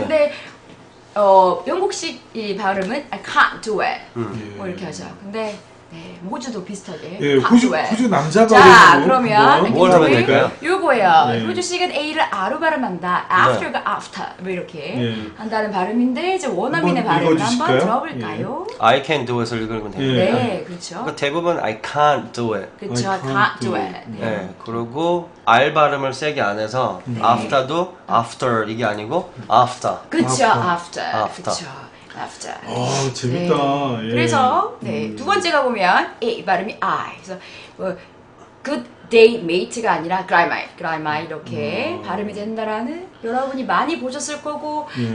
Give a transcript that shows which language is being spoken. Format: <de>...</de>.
<ko>근데 영국식 이 발음은</ko> <en>I can't do it.</en> <ko>뭐 이렇게 하죠. 근데 네, 호주도 비슷하게 예, 호주 남자 발음. 자 그러면 뭘 하면 될까요? 이거예요. 네. 호주식은 A를 R로 발음한다. After가 네. After 이렇게 네. 한다는 발음인데 이제 원어민의 발음을 한번 들어볼까요? 예.</ko> <en>I can't do it</en> <ko>을 읽으면 됩니다. 네, 그렇죠. 그러니까 대부분</ko> <en>I can't do it.</en> <ko>그렇죠,</ko> <en>can't do it.</en> <ko>네. 네, 그리고 R 발음을 세게 안 해서 네. After도 After 이게 아니고 After. 그렇죠, After. After. 그쵸. After. 아 재밌다. 네. 예. 그래서 네 두 번째가 보면 A 발음이 I. 그래서 뭐 good day mate가 아니라 grime 이렇게 발음이 된다라는 여러분이 많이 보셨을 거고 예.</ko>